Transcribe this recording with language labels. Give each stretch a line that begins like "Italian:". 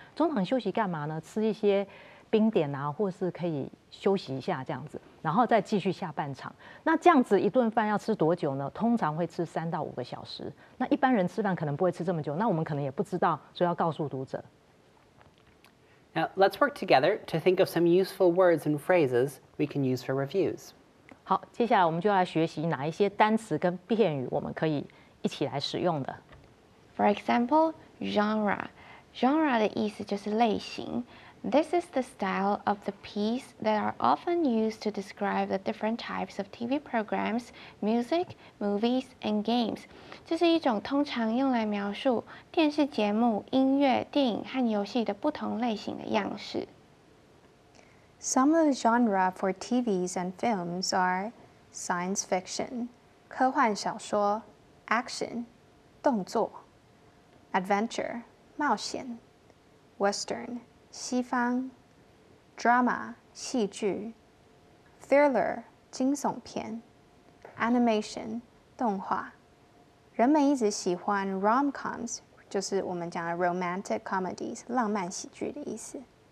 Chinese: 中场休息干嘛呢？吃一些冰点啊，或是可以休息一下这样子。然后再继续下半场。那这样子一顿饭要吃多久呢？通常会吃3到5个小时。那一般人吃饭可能不会吃这么久，那我们可能也不知道，所以要告诉读者。
English: Now let's work together to think of some useful words and phrases we can use for reviews.
Chinese: 好，接下来我们就要来学习哪一些单词跟片语我们可以一起来使用的。
English: For example, genre. Genre
Chinese: 的意思就是类型。
English: This is the style of the piece that are often used to describe the different types of TV programs, music, movies, and games.
Chinese: 这是一种通常用来描述电视节目、音乐、电影和游戏的不同类型的样式。
English: Some of the genre for TVs and films are science fiction,
Chinese: 科幻小说
English: action,
Chinese: 动作
English: adventure,
Chinese: 冒险
English: western,
Chinese: 西方
English: drama
Chinese: 戏剧
English: thriller
Chinese: 惊悚片
English: animation
Chinese: 动画人们一直喜欢
English: rom-coms
Chinese: 就是我们讲的
English: romantic comedies
Chinese: 浪漫喜剧的意思